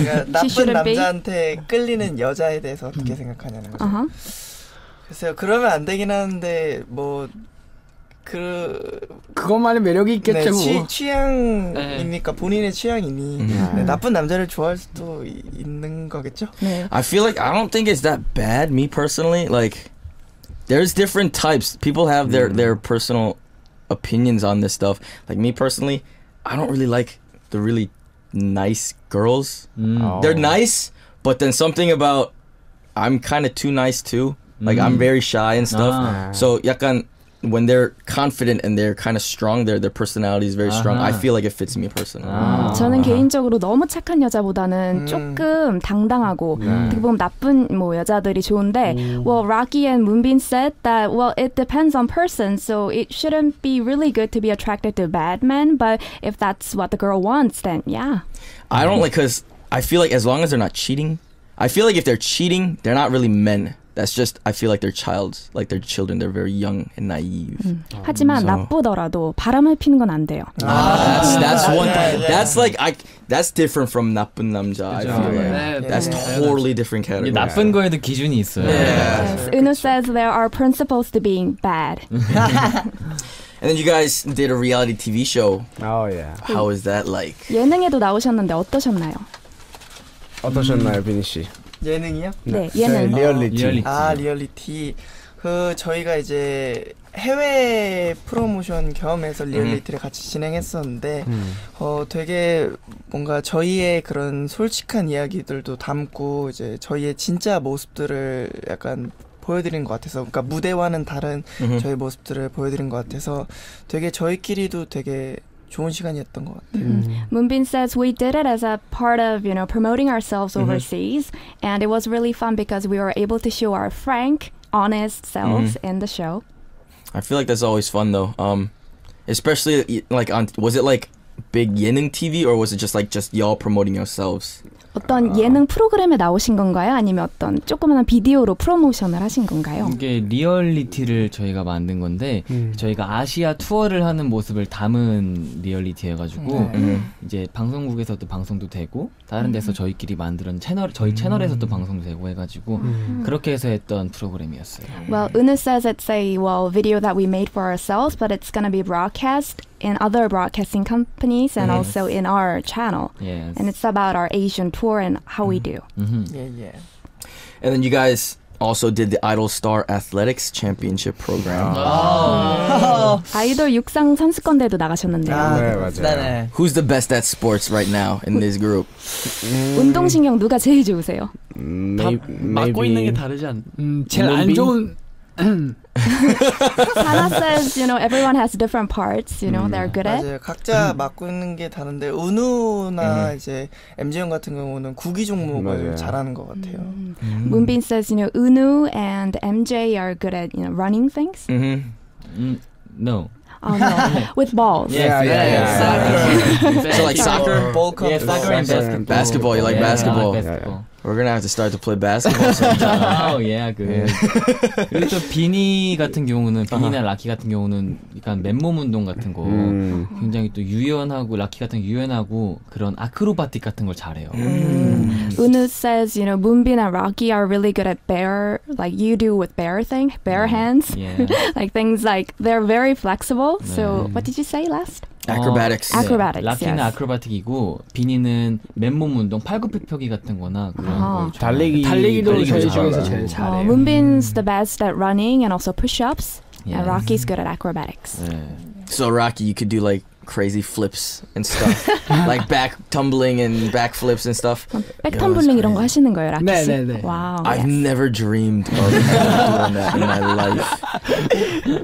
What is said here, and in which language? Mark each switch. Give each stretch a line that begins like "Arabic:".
Korean: 나쁜 남자한테 끌리는 여자에 대해서 어떻게 생각하냐는 거죠. 글쎄요, 그러면 안 되긴 하는데 뭐 그 그것만의 매력이 있겠죠. 네, 취향이니까 네. 본인의 취향이니 네, 나쁜 남자를 좋아할 수도 있는 거겠죠. 네.
English: I feel like I don't think it's that bad. Me personally, like there's different types. People have their personal opinions on this stuff. Like me personally, I don't really like the really nice girls. They're nice, but then something about I'm kind of too nice too. Like I'm very shy and stuff. So
Korean: 약간
English: when they're confident and they're kind of strong, their personality is very strong. I feel like it fits me personally.
Korean: 저는 개인적으로 너무 착한 여자보다는 조금 당당하고 어떻게 보면 나쁜 뭐 여자들이 좋은데.
English: Well, Rocky and Moonbin said that well, it depends on person. So it shouldn't be really good to be attracted to bad men. But if that's what the girl wants, then yeah. I don't like because I feel like as long as they're not cheating, I feel like if they're cheating, they're not really men. That's just I feel like they're childs, like they're children. They're very young and naive.
Korean: 하지만 나쁘더라도 바람을 피는 건 안 돼요.
English: That's one. Yeah, yeah. That's like I. That's different from
Korean: 나쁜 남자.
English: I feel like. That's totally different category.
Korean: 나쁜 거에도 기준이 있어요.
English: Yeah. Uno says there are principles to being bad. And then you guys did a reality TV show. Oh yeah. How is that like?
Korean: 예능에도 나오셨는데 어떠셨나요? 어떠셨나요, 비니 씨? 예능이요? 네, 예능. 네, 리얼리티. 리얼리티. 아, 리얼리티. 그 저희가 이제 해외 프로모션 겸해서 리얼리티를 같이 진행했었는데 되게 뭔가 저희의 그런 솔직한 이야기들도 담고 이제 저희의 진짜 모습들을 약간 보여드린 것 같아서 그러니까 무대와는 다른 저희 모습들을 보여드린 것 같아서 되게 저희끼리도 되게 좋은 시간이었던 것 같아요.
English: Moonbin says we did it as a part of, you know, promoting ourselves overseas, and it was really fun because we were able to show our frank, honest selves in the show. I feel like that's always fun though, especially like on. Was it like big 예능 TV or was it just like just y'all promoting yourselves?
Korean: 어떤 예능 프로그램에 나오신 건가요? 아니면 어떤 조그만한 비디오로 프로모션을 하신 건가요? 이게 리얼리티를 저희가 만든 건데 저희가 아시아 투어를 하는 모습을 담은 리얼리티 해가지고 이제 방송국에서도 방송도 되고 다른 데서 저희끼리 만든 채널 저희 채널에서도 방송도 되고 해가지고 그렇게 해서 했던 프로그램이었어요.
English: Well, Una says it's a well video that we made for ourselves, but it's gonna be broadcast in other broadcasting companies and also in our channel. Yes. And it's about our Asian tour and how we do. And then you guys also did the Idol Star Athletics Championship program. Oh.
Korean: 아이돌 육상 선수권 대회도 나가셨는데요. 아, 네, 맞아요. 네.
English: Who's the best at sports right now in this group?
Korean: 운동 신경 누가 제일 좋으세요? 맞고 있는 게 다르지 않. 제일 안 좋은
English: Hana says, you know, everyone has different parts, you know, they're good
Korean: 맞아요.
English: at.
Korean: 맞아요. 각자 맡고는 게 다른데 은우나 이제 MJ형 같은 경우는 구기 종목을 잘하는 것 같아요.
English: Moonbin says, you know, 은우 and MJ are good at, you know, running things. No. Oh, no. With balls. Yeah. So like soccer, ball combo. Yeah, soccer and basketball. Basketball. You like basketball? Yeah, I like basketball. We're gonna have to start to play basketball sometime. Oh yeah, good. Yeah.
Korean: 그리고 또 비니 같은 경우는 비니나 라키 같은 경우는 약간 맨몸 운동 같은 거 굉장히 또 유연하고 라키 같은 유연하고 그런 아크로바틱 같은 걸 잘해요.
English: Unu says, you know, Moonbin and Rocky are really good at bear, like you do with bear thing, bear hands, like things like they're very flexible. So what did you say last? Acrobatics. Acrobatics.
Korean: 라키는 아크로바틱이고 비니는 맨몸 운동, 팔굽혀펴기 같은거나 그런 거. 달리기. 달리기도 저희 중에서 제일 잘해요.
English: Moonbin's the best at running and also push-ups. Yeah. And Rocky's good at acrobatics. So Rocky, you could do like crazy flips and stuff, like back tumbling and back flips and stuff. Back tumbling
Korean: 이런 거 하시는 거예요, 라키 씨? 네, 네, 네.
English: Wow. I've never dreamed of doing that in my life.